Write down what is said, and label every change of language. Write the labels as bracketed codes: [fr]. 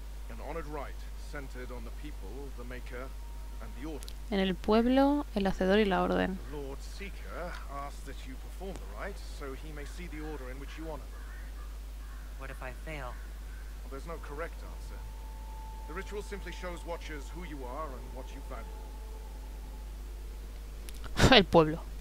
[en] An honored right centered on the people, the maker, and the order. [es] En el pueblo, el hacedor y la orden. [en] The Lord Seeker asks that you perform the right so he may see the order in which you honor them. What if I fail? Well, there's no correct answer. The ritual simply shows watchers who you are and what you value. [es] El pueblo.